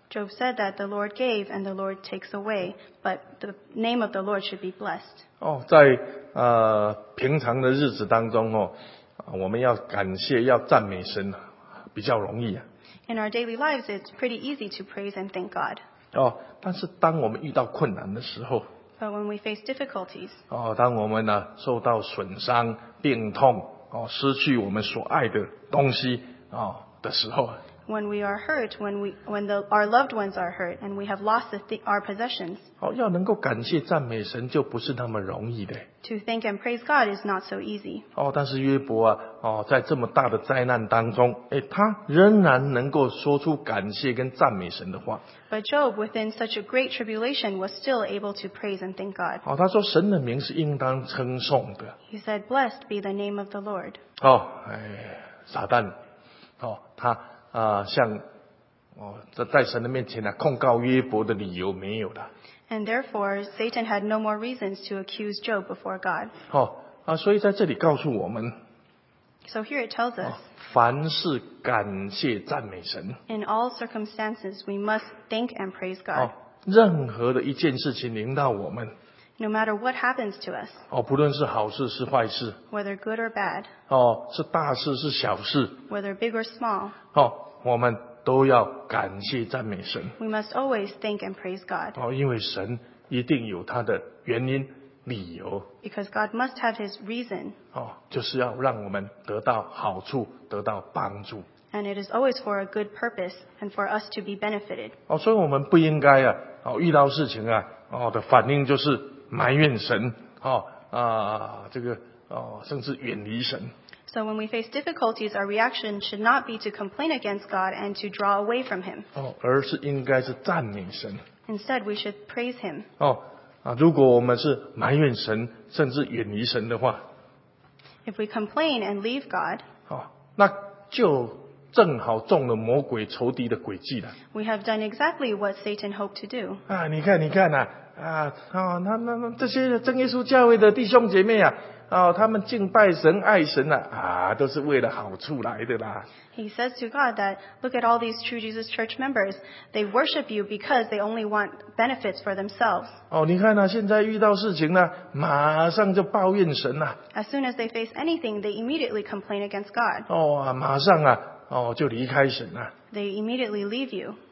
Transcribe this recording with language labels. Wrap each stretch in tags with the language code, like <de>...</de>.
<en>Job said that the Lord gave and the Lord takes away, but the name of the Lord should be blessed.</en> <zh>哦，在平常的日子当中，哦，我们要感谢要赞美神比较容易啊。</zh> <en>In our daily lives, it's pretty easy to praise and thank God.</en> <zh>哦，但是当我们遇到困难的时候。</zh> <en>But when we face difficulties.</en> <zh>哦，当我们呢受到损伤、病痛，哦，失去我们所爱的东西，哦，的时候。</zh> <en>When we are hurt, when our loved ones are hurt, and we have lost our possessions.</en> <zh>哦，要能够感谢赞美神就不是那么容易的。</zh> <en>To thank and praise God is not so easy.</en> <zh>哦，但是约伯啊，哦，在这么大的灾难当中，哎，他仍然能够说出感谢跟赞美神的话。</zh> <en>But Job, within such a great tribulation, was still able to praise and thank God.</en> <zh>哦，他说神的名是应当称颂的。</zh> <en>He said, "Blessed be the name of the Lord."</en> <zh>哦，哎，撒旦，哦，他。向哦，这在神的面前呢，控告约伯的理由没有了。</zh> <en>And therefore, Satan had no more reasons to accuse Job before God.</en> <zh>哦，啊，所以在这里告诉我们。</zh> <en>So here it tells us.</en> <zh>凡事感谢赞美神。</zh> <en>In all circumstances, we must thank and praise God.</en> <zh>任何的一件事情临到我们。</zh> <en>No matter what happens to us.</en> <zh>哦，不论是好事是坏事。</zh> <en>Whether good or bad.</en> <zh>哦，是大事是小事。</zh> <en>Whether big or small.</en> <zh>哦，我们都要感谢赞美神。</zh> <en>We must always thank and praise God.</en> <zh>哦，因为神一定有他的原因理由。</zh> <en>Because God must have His reason.</en> <zh>哦，就是要让我们得到好处，得到帮助。</zh> <en>And it is always for a good purpose and for us to be benefited.</en> <zh>哦，所以我们不应该啊，哦，遇到事情啊，哦的反应就是埋怨神，哦啊，这个哦，甚至远离神。</zh> <en>So when we face difficulties, our reaction should not be to complain against God and to draw away from Him.</en> <zh>哦，而是应该是赞美神。</zh> <en>Instead, we should praise Him.</en> <zh>哦，啊，如果我们是埋怨神，甚至远离神的话</zh> <en>，If we complain and leave God,</en> <zh>哦，那就正好中了魔鬼仇敌的诡计了。</zh> <en>We have done exactly what Satan hoped to do.</en> <zh>啊，你看，你看呐，啊，啊，哦，那这些真耶稣教会的弟兄姐妹啊。哦，他们敬拜神、爱神啊，啊，都是为了好处来的啦。</zh> <en>He says to God that, look at all these true Jesus Church members. They worship you because they only want benefits for themselves.</en> <zh>哦，你看呐，啊，现在遇到事情呢，马上就抱怨神呐，啊。</zh> <en>As soon as they face anything, they immediately complain against God.</en> <zh>哦，啊，马上啊，哦，就离开神呐，啊。</zh> <en>They immediately leave you.</en>